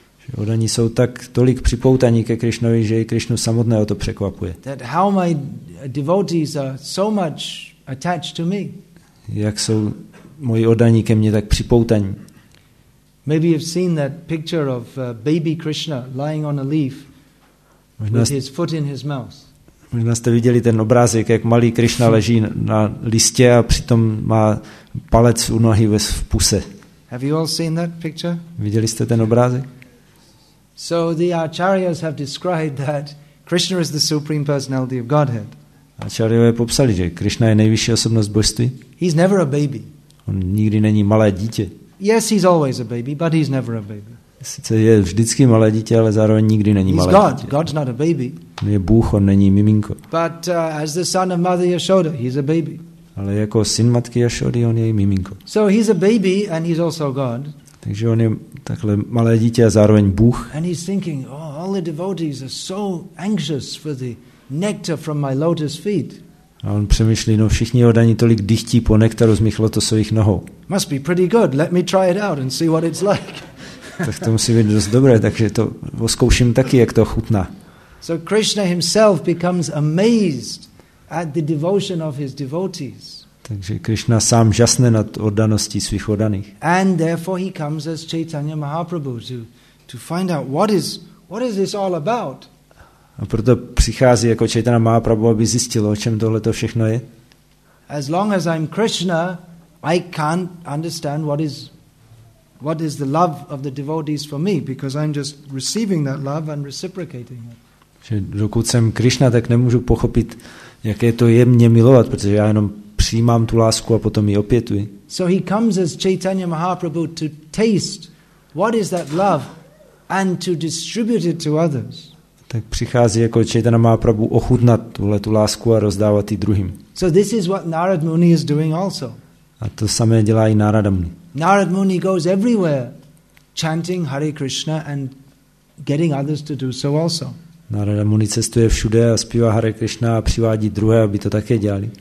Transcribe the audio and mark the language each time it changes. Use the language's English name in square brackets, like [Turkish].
[Czech] Že oddaní jsou tak tolik připoutaní ke Krišnovi, že i Krišnu samotného to překvapuje. [English] That how my devotees are so much attached to me. [Czech] Jak jsou moji oddaní ke mně tak připoutaní? [English] Maybe you've seen that picture of baby Krishna lying on a leaf with his foot in his mouth. [Czech] Možná jste viděli ten obrázek, jak malý Krišna leží na listě a přitom má palec u nohy v puse. [English] Have you all seen that picture? [Czech] Viděli jste ten obrázek? [English] So the acharyas have described that Krishna is the supreme personality of Godhead. [Czech] Acharyové popsali, že Krishna je nejvyšší osobnost božství. [English] He's never a baby. [Czech] On nikdy není malé dítě. [English] Yes, he's always a baby, but he's never a baby. [Czech] Sice je vždycky malé dítě, ale zároveň nikdy není [English] he's [Czech] malé [English] God. [Czech] Dítě. [English] God's not a baby. [Czech] On je Bůh, on není miminko. [English] But as the son of Mother Yashoda, he's a baby. [Czech] Ale jako syn matky Yashody, on je miminko. [English] So he's a baby and he's also God. [Czech] Takže on je takhle malé dítě a zároveň Bůh. [English] And he's thinking, oh, all the devotees are so anxious for the nectar from my lotus feet. [Czech] A on přemýšlí, no všichni oddaní tolik dychtí po nektaru z mých lotosových nohou. [English] Must be pretty good. Let me try it out and see what it's like. [Czech] Tak to musí být dost dobré, takže to zkouším taky, jak to chutná. [English] So Krishna himself becomes amazed at the devotion of his devotees. [Czech] Takže Krishna sám žasne nad oddaností svých oddaných. [English] And therefore he comes as Chaitanya Mahaprabhu to find out what is this all about. [Czech] A proto přichází jako Chaitanya Mahaprabhu, aby zjistil, o čem tohle to všechno je. [English] As long as I'm Krishna, I can't understand what is the love of the devotees for me, because I'm just receiving that love and reciprocating it. [Czech] Že dokud jsem Krishna, tak nemůžu pochopit, jaké to je mě milovat, protože já jenom přijímám tu lásku a potom ji opětuji. [English] So he comes as Chaitanya Mahaprabhu to taste what is that love and to distribute it to others. [Czech] Tak přichází jako Chaitanya Mahaprabhu ochutnat tuhle tu lásku a rozdávat ji druhým. [English] So this is what Narad Muni is doing also. [Czech] A to samé dělá i Narada Muni. [English] Narad Muni goes everywhere chanting Hare Krishna and getting others to do so also. [Czech] Narada Muni cestuje všude a zpívá Hare Krishna a přivádí druhé, aby to také dělali.